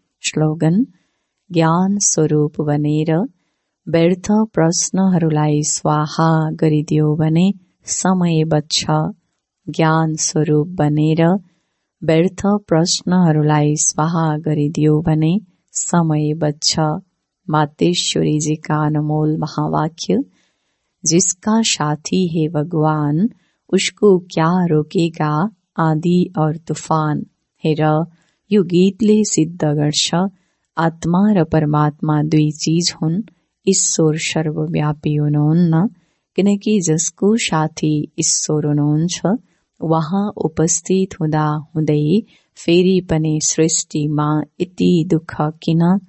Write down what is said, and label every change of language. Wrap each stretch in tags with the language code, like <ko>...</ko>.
<ne>Slogan, ज्ञान स्वरूप बनेर व्यर्थ प्रश्नहरूलाई स्वाहा गरिदियो भने समय बच्छ। ज्ञान स्वरूप बनेर व्यर्थ प्रश्नहरूलाई स्वाहा गरिदियो भने समय बच्छ।</ne> <hi>मातेश्वरीजीका अनमोल महावाक्य, जिसका साथी है भगवान उसको क्या रोकेगा आँधी और तूफान।</hi> <ne>हेर, यो गीतले सिद्ध गर्छ, आत्मा र परमात्मा दुई चिज हुन्। ईश्वर सर्वव्यापी हुनुहुन्न, किनकि जसको साथी ईश्वर हुनुहुन्छ उहाँ उपस्थित हुँदा हुँदै फेरि पनि सृष्टिमा यति दुःख किन।</ne>